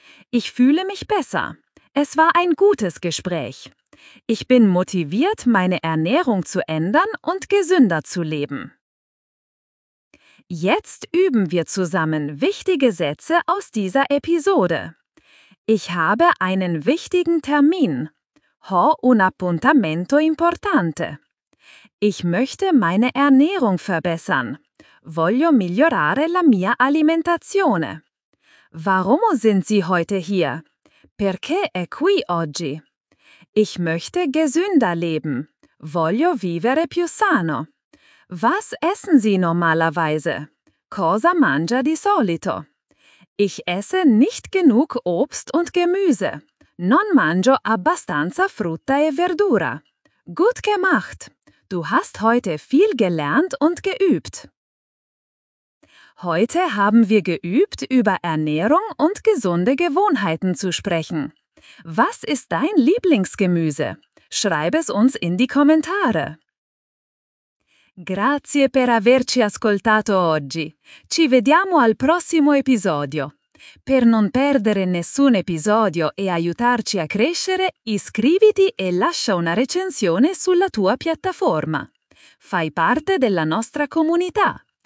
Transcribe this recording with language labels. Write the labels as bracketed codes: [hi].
[de] Ich fühle mich besser. Es war ein gutes Gespräch. Ich bin motiviert, meine Ernährung zu ändern und gesünder zu leben. Jetzt üben wir zusammen wichtige Sätze aus dieser Episode. Ich habe einen wichtigen Termin. [it] Ho un appuntamento importante. [de] Ich möchte meine Ernährung verbessern. [it] Voglio migliorare la mia alimentazione. [de] Warum sind Sie heute hier? [it] Perché è qui oggi? [de] Ich möchte gesünder leben. [it] Voglio vivere più sano. [de] Was essen Sie normalerweise? [it] Cosa mangia di solito? [de] Ich esse nicht genug Obst und Gemüse. [it] Non mangio abbastanza frutta e verdura. [de] Gut gemacht! Du hast heute viel gelernt und geübt. Heute haben wir geübt, über Ernährung und gesunde Gewohnheiten zu sprechen. Was ist dein Lieblingsgemüse? Schreib es uns in die Kommentare. [it] Grazie per averci ascoltato oggi. Ci vediamo al prossimo episodio. Per non perdere nessun episodio e aiutarci a crescere, iscriviti e lascia una recensione sulla tua piattaforma. Fai parte della nostra comunità.